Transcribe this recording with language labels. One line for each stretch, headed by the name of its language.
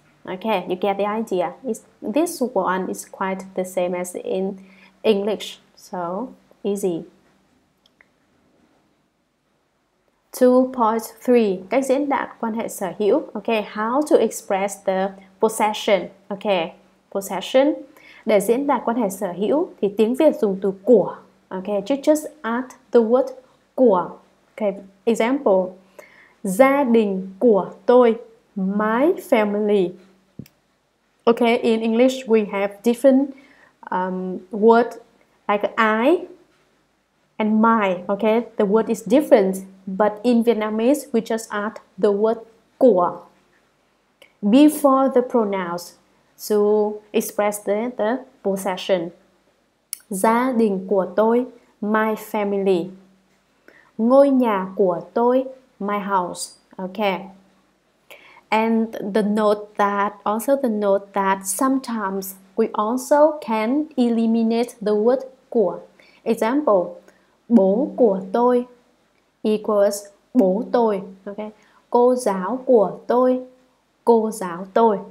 English: Okay, you get the idea. This one is quite the same as in English, so easy.
Vietnamese: 2.3, cách diễn đạt quan hệ sở hữu.
English: Okay, how to express the possession. Okay, possession.
Vietnamese: Để diễn đạt quan hệ sở hữu thì tiếng Việt dùng từ của.
English: Okay, you just add the word của. Okay, example.
Vietnamese: Gia đình của tôi.
English: My family. Okay, in English we have different word like I and my. Okay, the word is different, but in Vietnamese we just add the word của before the pronouns to express the possession.
Vietnamese: Gia đình của tôi,
English: my family.
Vietnamese: Ngôi nhà của tôi,
English: my house. Okay. And the note that, also the note that sometimes we also can eliminate the word của. Example,
Vietnamese: bố của tôi
English: equals
Vietnamese: bố tôi. Okay, cô giáo của tôi, cô giáo tôi.